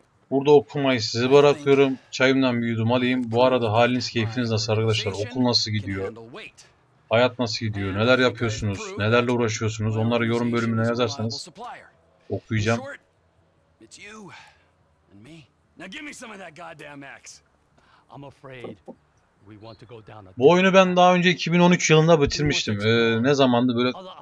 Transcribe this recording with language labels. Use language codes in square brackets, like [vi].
[tr] Burada okumayı size bırakıyorum. Çayımdan bir yudum alayım. Bu arada haliniz keyfiniz nasıl arkadaşlar? Okul nasıl gidiyor? Hayat nasıl gidiyor? Neler yapıyorsunuz? Nelerle uğraşıyorsunuz? Onları yorum bölümüne yazarsanız okuyacağım. [en] It's you and me. Now give me some of that goddamn axe. I'm afraid we want to go down a... [tr] Bu oyunu ben daha önce 2013 yılında bitirmiştim. Ne zamandı böyle?